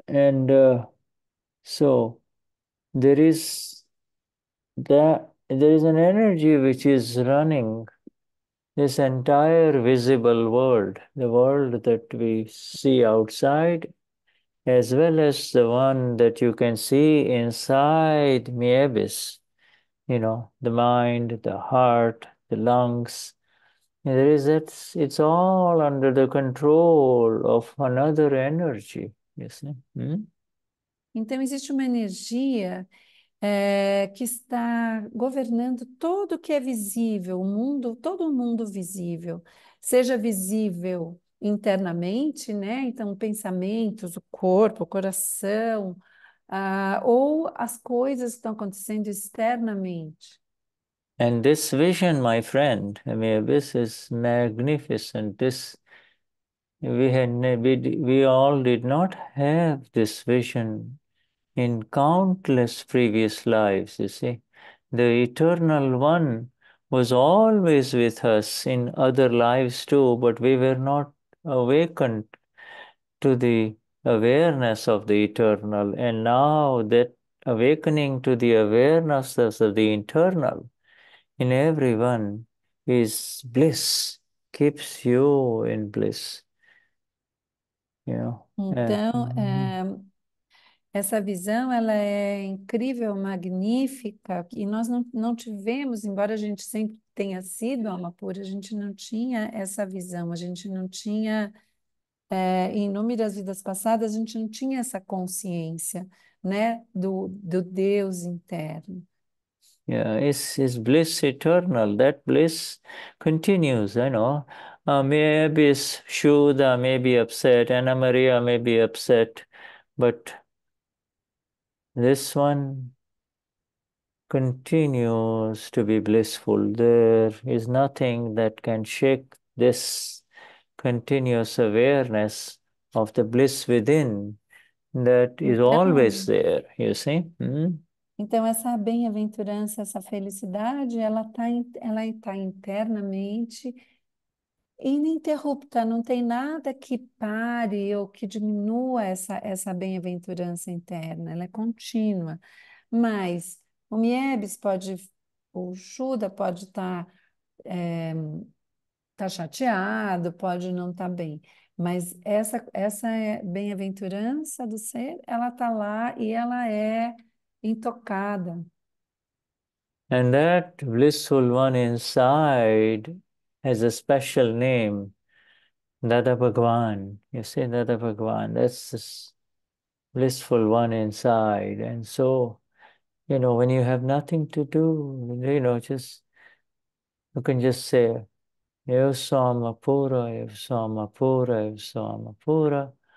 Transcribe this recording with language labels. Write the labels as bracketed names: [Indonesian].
[English] And so there is that there is an energy which is running this entire visible world, the world that we see outside, as well as the one that you can see inside Miebis, you know, the mind, the heart, the lungs. There is it's all under the control of another energy, you see. [Portuguese] Então, existe uma energia que está governando tudo que é visível, o mundo, todo mundo visível, seja visível internamente, né? Então, pensamentos, o corpo, o coração, ou as coisas que estão acontecendo externamente. [English] And this vision, my friend, I mean, this is magnificent. This we all did not have this vision in countless previous lives, you see. The Eternal One was always with us in other lives too, but we were not awakened to the awareness of the Eternal. And now that awakening to the awareness of the Eternal in everyone is bliss, keeps you in bliss. [Portuguese] Então, essa visão, ela é incrível, magnífica, e nós não tivemos, embora a gente sempre tenha sido alma pura, a gente não tinha essa visão, a gente não tinha, em inúmeras vidas passadas, a gente não tinha essa consciência, né, do Deus interno. [English] Yeah, it's bliss eternal. That bliss continues, I know. Maybe Shuddha may be upset, Anna Maria may be upset, but this one continues to be blissful. There is nothing that can shake this continuous awareness of the bliss within that is always there, you see? [Portuguese] Então, essa bem-aventurança, essa felicidade, ela tá internamente ininterrupta, não tem nada que pare ou que diminua essa bem-aventurança interna, ela é contínua. Mas o Miebis pode, o Shuddha pode tá chateado, pode não tá bem, mas essa bem-aventurança do ser, ela tá lá e ela é intocada. [English] And that blissful one inside has a special name, Dada Bhagwan. You see, Dada Bhagwan, that's this blissful one inside. And so You know, when you have nothing to do, you know, just you can just say, Eva Soma Pura, Eva Soma Pura, Eva Soma Pura.